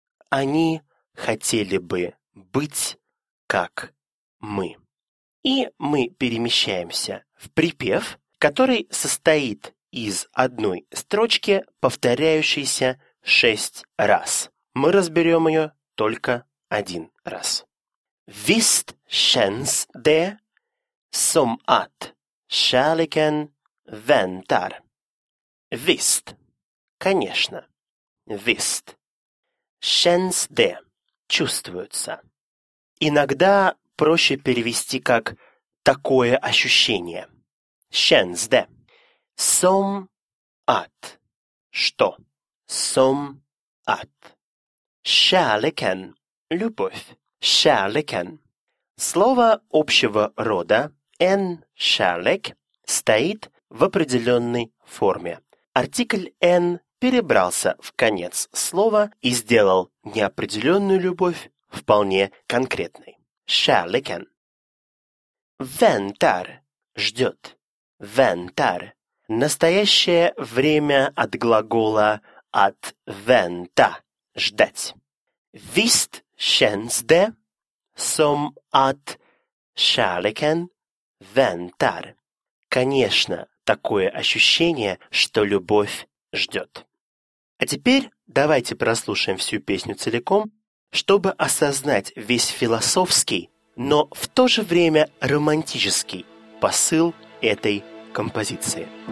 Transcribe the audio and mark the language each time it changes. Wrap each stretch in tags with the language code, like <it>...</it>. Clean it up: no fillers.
<ru>Они хотели бы быть, как мы. И мы перемещаемся в припев. который состоит из одной строчки, повторяющейся 6 раз. Мы разберем ее только один раз.</ru> <sv>Visst känns det som att kärleken väntar. Visst.</sv> <ru>Конечно.</ru> <sv>Visst. Känns det.</sv> <ru>Чувствуется. Иногда проще перевести как «такое ощущение».</ru> <sv>Känns det. Som att.</sv> <ru>Что?</ru> <sv>Som att. Kärleken.</sv> <ru>Любовь.</ru> <sv>Kärleken.</sv> <ru>Слово общего рода</ru> <sv>«en kärlek»</sv> <ru>стоит в определенной форме. Артикль «en» перебрался в конец слова и сделал неопределенную любовь вполне конкретной.</ru> <sv>Kärleken. Väntar.</sv> <ru>Ждет.</ru> <sv>Väntar.</sv> <ru>Настоящее время от глагола «от вента» – «ждать».</ru> <sv>«Visst känns det som att kärleken väntar».</sv> <ru>Конечно, такое ощущение, что любовь ждет. А теперь давайте прослушаем всю песню целиком, чтобы осознать весь философский, но в то же время романтический посыл этой композиции.</ru>